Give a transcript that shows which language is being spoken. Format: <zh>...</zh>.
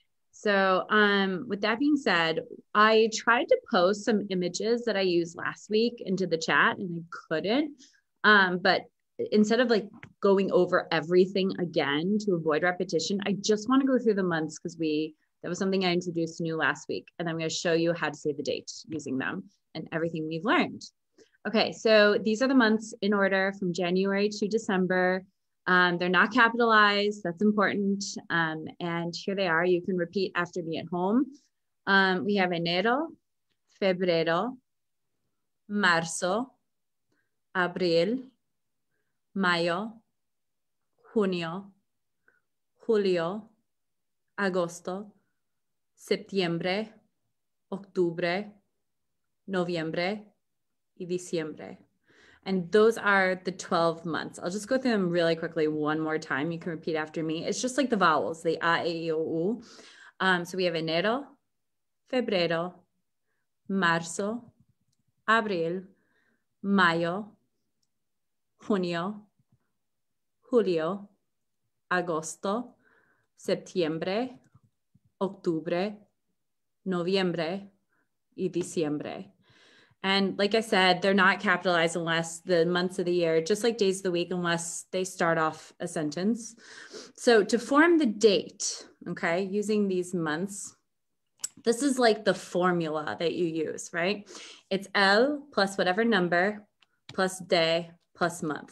<en>So with that being said, I tried to post some images that I used last week into the chat and I couldn't, but instead of like going over everything again to avoid repetition, I just wanna go through the months because that was something I introduced new last week. And I'm gonna show you how to save the date using them and everything we've learned. Okay, so these are the months in order from January to December. They're not capitalized, that's important. And here they are, you can repeat after me at home. We have</en> <es>enero, febrero, marzo, abril, mayo, junio, julio, agosto, septiembre, octubre, noviembre, y diciembre.</es> <en>And those are the 12 months. I'll just go through them really quickly one more time. You can repeat after me. It's just like the vowels, the A, E, I, O, U. So we have</en> <es>enero, febrero, marzo, abril, mayo, junio, julio, agosto, septiembre, octubre, noviembre, y diciembre.</es> <en>And like I said, they're not capitalized unless the months of the year, just like days of the week, unless they start off a sentence. So to form the date, okay, using these months, this is like the formula that you use, right? It's el plus whatever number plus day plus month.</en>